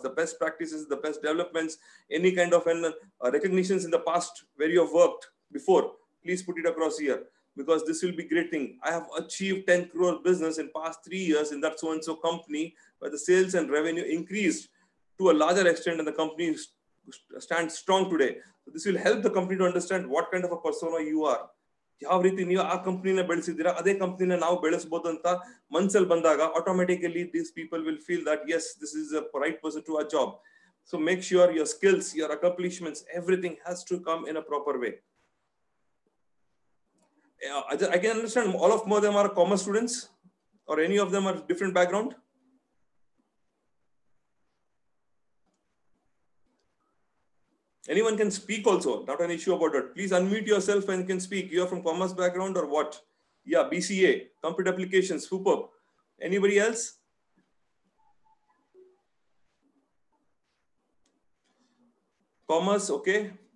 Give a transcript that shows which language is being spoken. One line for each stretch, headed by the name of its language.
English: The best practices, the best developments, any kind of recognitions in the past where you have worked before, please put it across here because this will be a great thing. I have achieved 10 crore business in past 3 years in that so-and-so company where the sales and revenue increased to a larger extent and the company stand strong today. So this will help the company to understand what kind of a persona you are.
Kannada: ಯಾವ ರೀತಿ ನೀವು ಆ ಕಂಪನಿನ ಬೆಳೆಸಿದ್ದೀರ ಅದೇ ಕಂಪನಿನ ನಾವು ಬೆಳೆಸಬಹುದು ಅಂತ ಮನಸ್ಸಲ್ಲಿ ಬಂದಾಗ
English: Automatically these people will feel that yes this is a right person to our job so make sure your skills your accomplishments everything has to come in a proper way I can understand all of more them are commerce students are any of them are different background Anyone can speak also, not an issue about it. Please unmute yourself and you can speak. You are from commerce background or what? Yeah, BCA, computer applications, superb. Anybody else? Commerce, okay.